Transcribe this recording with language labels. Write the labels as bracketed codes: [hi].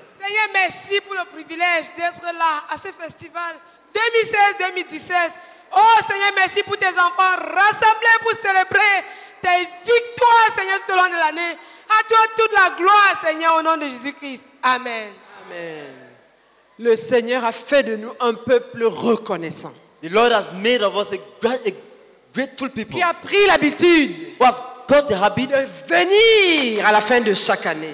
[fr] Seigneur, merci pour le privilège d'être là à ce festival 2016-2017. Oh Seigneur, merci pour tes enfants rassemblés pour célébrer tes victoires, Seigneur, tout au long de l'année. À toi toute la gloire, Seigneur, au nom de Jésus-Christ. Amen. Amen. Le Seigneur a fait de nous un peuple reconnaissant. [en] The Lord has made of us a grateful people. [fr] Qui a pris l'habitude. [en] Who have got the habit. [fr] De venir à la fin de chaque année.